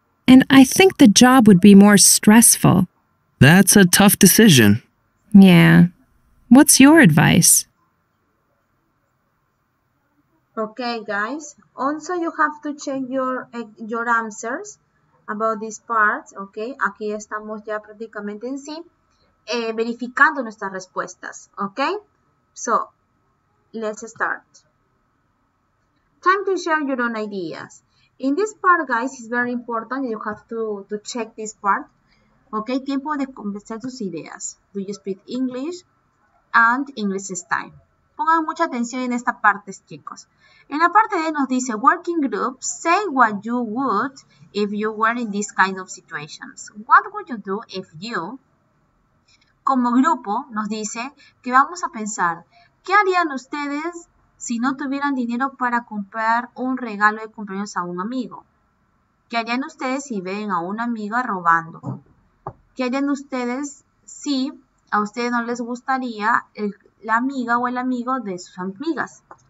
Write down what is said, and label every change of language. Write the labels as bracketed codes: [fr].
[en] And I think the job would be more stressful. That's a tough decision. Yeah. What's your advice? Okay, guys. Also, you have to check your answers about these parts, okay? [es] Aquí estamos ya prácticamente en sí, verificando nuestras respuestas, okay? [en] So, let's start. Time to share your own ideas. In this part, guys, it's very important. You have to check this part, okay? [es] Tiempo de conversar tus ideas. [en] Do you speak English? And English is time. [es] Pongan mucha atención en esta parte, chicos. En la parte D nos dice, [en] working group, say what you would if you were in this kind of situations. What would you do if you? [es] Como grupo, nos dice que vamos a pensar, ¿qué harían ustedes si no tuvieran dinero para comprar un regalo de cumpleaños a un amigo? ¿Qué harían ustedes si ven a una amiga robando? ¿Qué harían ustedes si a ustedes no les gustaría la amiga o el amigo de sus amigas?